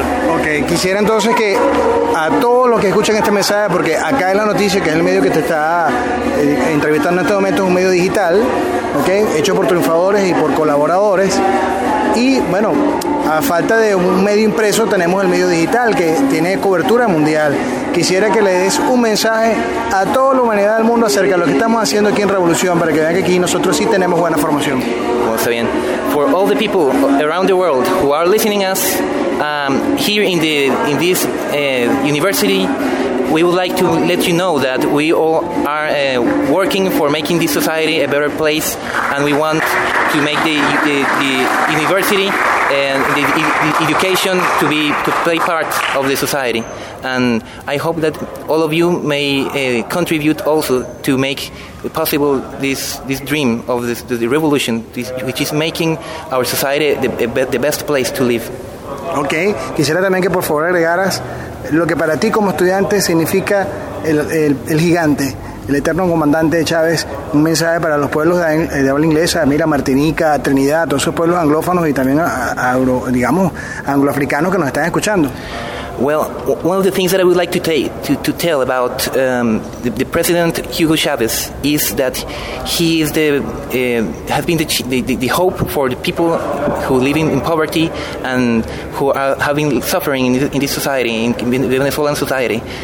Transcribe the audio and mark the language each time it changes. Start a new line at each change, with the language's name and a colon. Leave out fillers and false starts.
Spanish: Ok, quisiera entonces que a todos los que escuchan este mensaje, porque acá en La Noticia, que es el medio que te está entrevistando en este momento, es un medio digital, ¿ok?, hecho por triunfadores y por colaboradores, y bueno, a falta de un medio impreso tenemos el medio digital que tiene cobertura mundial. Quisiera que le des un mensaje a toda la humanidad del mundo acerca de lo que estamos haciendo aquí en Revolución, para que vean que aquí nosotros sí tenemos buena formación. Bueno, está bien.
English: For all the people around the world who are listening us here in this university, we would like to let you know that we all are working for making this society a better place, and we want to make the university and the education to play part of the society. And I hope that all of you may contribute also to make possible this dream of the revolution, which is making our society the best place to live. Okay.
Spanish: Quisiera también que por favor agregaras lo que para ti como estudiante significa el gigante, el eterno comandante Chávez, un mensaje para los pueblos de habla inglesa, mira, Martinica, Trinidad, todos esos pueblos anglófonos y también angloafricanos que nos están escuchando.
English: Well, one of the things that I would like to tell about the President Hugo Chavez is that he is has been the hope for the people who live in poverty and who are having suffering in this society, in the Venezuelan society.